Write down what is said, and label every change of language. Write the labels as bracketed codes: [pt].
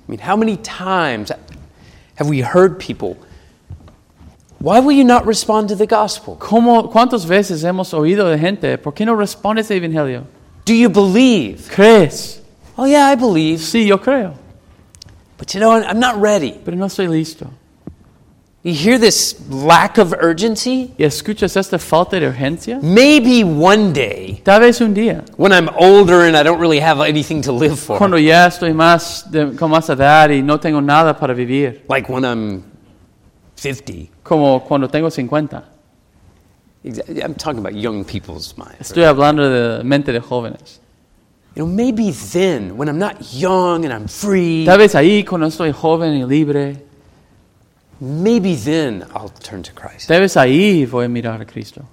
[en] I mean, how many times have we heard people, why will you not respond to the gospel? [es] ¿Cómo, cuántas veces hemos oído de gente, ¿por qué no respondes al evangelio? [en] Do you believe? [es] ¿Crees? [en] Oh yeah, I believe. [es] Sí, yo creo. [en] But you know, I'm not ready. [es] Pero no soy listo. [en] You hear this lack of urgency? [es] ¿Y escuchas esta falta de urgencia? [en] Maybe one day. [es] Tal vez un día. [en] When I'm older and I don't really have anything to live for. [es] Cuando ya estoy más de, con más edad y no tengo nada para vivir. [en] Like when I'm 50. [es] Como cuando tengo 50. [en] Exactly. I'm talking about young people's minds. [es] Estoy hablando de mente de jóvenes. [en] You know, maybe then, when I'm not young and I'm free. [es] Tal vez ahí cuando estoy joven y libre. [en] Maybe then I'll turn to Christ. [es] Tal vez ahí voy a mirar a Cristo.